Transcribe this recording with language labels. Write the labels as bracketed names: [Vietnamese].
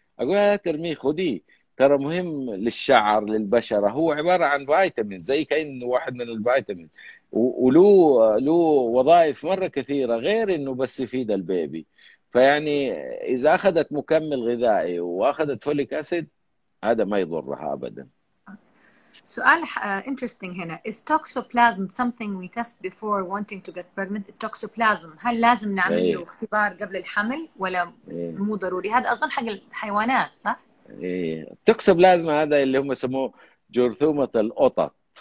[Arabic] اقول لها ترميه خذيه، ترى مهم للشعر للبشره، هو عباره عن فيتامين زي كانه واحد من الفيتامين، ولو له وظائف مره كثيره غير انه بس يفيد البيبي. فيعني اذا اخذت مكمل غذائي واخذت فوليك اسيد هذا ما يضرها ابدا. سؤال [English] interesting [Arabic] هنا. [English] Is toxoplasm something we test before wanting to get pregnant? [Arabic] Toxoplasm هل لازم نعمل له ايه اختبار قبل الحمل ولا ايه مو ضروري؟ هذا أظن حق الحيوانات صح؟ ايه التوكسوبلازما هذا اللي هم يسموه جرثومة القطط،